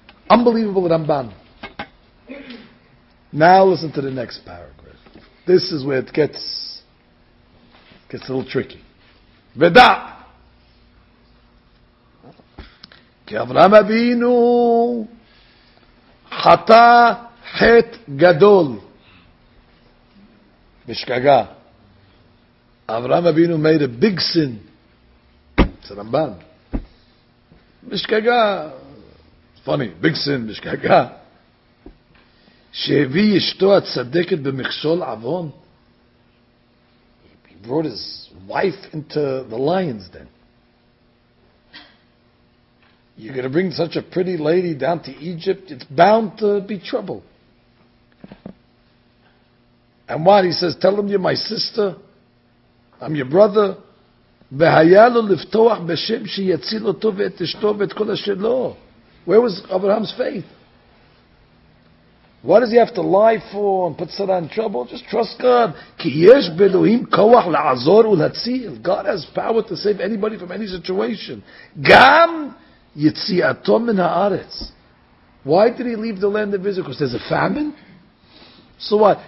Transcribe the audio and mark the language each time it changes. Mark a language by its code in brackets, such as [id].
[en] Unbelievable Ramban. Now listen to the next paragraph. This is where it gets a little tricky. Veda. [he] Ki Avraham Avinu chata het gadol. [en] Mishkaga. Avraham Avinu made a big sin. It's a Ramban. Mishkaga. Funny. Big sin. Mishkaga. [he] שהביא אשתו הצדקת במכשול עוון. [en] He brought his wife into the lion's den. You're going to bring such a pretty lady down to Egypt, it's bound to be trouble. And why? He says, tell them you're my sister, I'm your brother. [he] והיה לו לפתוח בשם שיציל אותו ואת אשתו ואת כל אשר לו. [en] Where was Abraham's faith? What does he have to lie for and put Sarah in trouble? Just trust God. [he] Ki yesh b'Elohim kawach la'azor ul'hatzil. [en] God has power to save anybody from any situation. [he] Gam yitziato min ha'aretz. [en] Why did he leave the land of Israel? Because there's a famine? So what?